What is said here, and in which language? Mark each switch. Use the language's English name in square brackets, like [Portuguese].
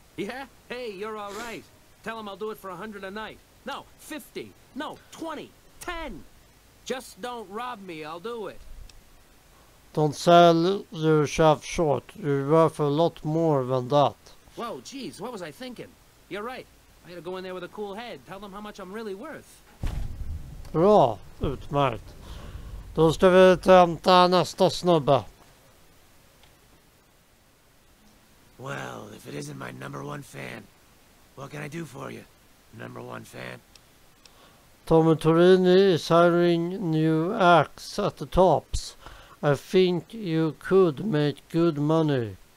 [English] Yeah? Hey, you're all right. Tell him I'll do it for 100 a night. No, 50. No, 20. 10. Just don't rob me. I'll do it. Don't sell yourself short. You're worth a lot more than that. Whoa, jeez. What was I thinking? You're right. I gotta go in there with a cool head. Tell them how much I'm really worth. [Swedish] Bra. Utmärkt. Då ska vi tämta nästa snubbe. [English] Well, if it isn't my number one fan, what can I do for you? Number one fan. Tommy Torini is hiring new acts at the tops. I think you could make good money.